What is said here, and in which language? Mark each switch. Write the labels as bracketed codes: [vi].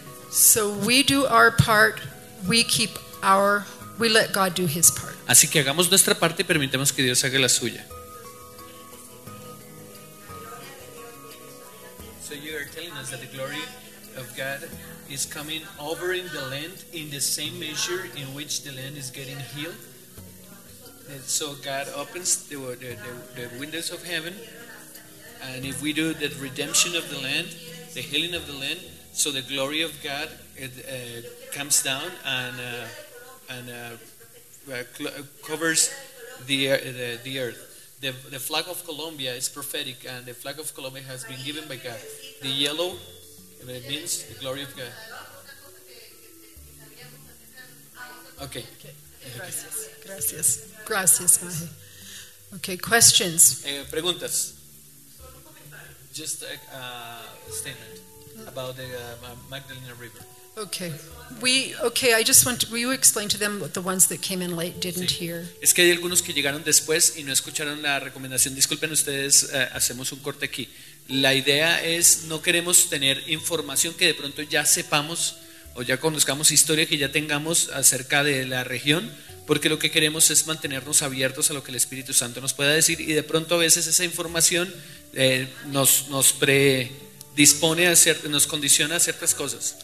[en] So we do our part, we let God do His part. [es] Así que hagamos nuestra parte y permitamos que Dios haga la suya. [en] That the glory of God is coming over in the land in the same measure in which the land is getting healed. And so God opens the windows of heaven, and if we do the redemption of the land, the healing of the land, so the glory of God comes down and covers the earth. The flag of Colombia is prophetic, and the flag of Colombia has been given by God. The yellow, it means the glory of God. Okay. [es] Gracias. Gracias. Gracias. [en] Okay, questions. [es] Preguntas. [en] Just a statement about the Magdalena River. Okay. We will explain to them what the ones that came in late didn't hear. [es] Es que hay algunos que llegaron después y no escucharon la recomendación. Disculpen ustedes, hacemos un corte aquí. La idea es, no queremos tener información que de pronto ya sepamos o ya conozcamos, historia que ya tengamos acerca de la región, porque lo que queremos es mantenernos abiertos a lo que el Espíritu Santo nos pueda decir, y de pronto a veces esa información nos predispone a ciertas, nos condiciona a ciertas cosas.